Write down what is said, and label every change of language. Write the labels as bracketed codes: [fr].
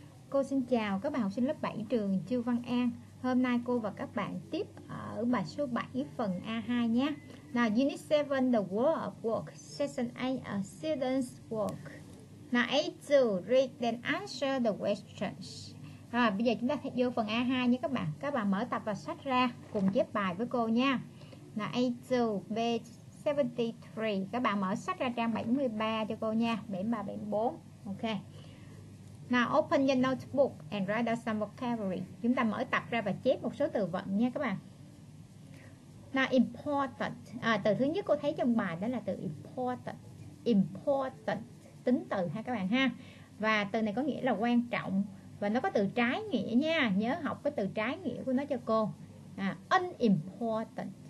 [vi] Cô xin chào các bạn học sinh lớp 7 trường Chu Văn An. Hôm nay cô và các bạn tiếp ở bài số 7 phần A2 nhé. [en] Now, Unit 7, The World of Work, Session 8, A Student's Work. Now, A2, read and answer the questions. [vi] Rồi, bây giờ chúng ta vô phần A2 nhé các bạn. Các bạn mở tập và sách ra cùng chép bài với cô nha. [en] Now, A2, page 73. [vi] Các bạn mở sách ra trang 73 cho cô nha. 73, 74. Ok. [en] Now open your notebook and write out some vocabulary. [vi] Chúng ta mở tập ra và chép một số từ vựng nha các bạn. [en] Now important. [vi] Từ thứ nhất cô thấy trong bài đó là từ important. Important, tính từ ha các bạn ha. Và từ này có nghĩa là quan trọng. Và nó có từ trái nghĩa nha. Nhớ học cái từ trái nghĩa của nó cho cô. Unimportant.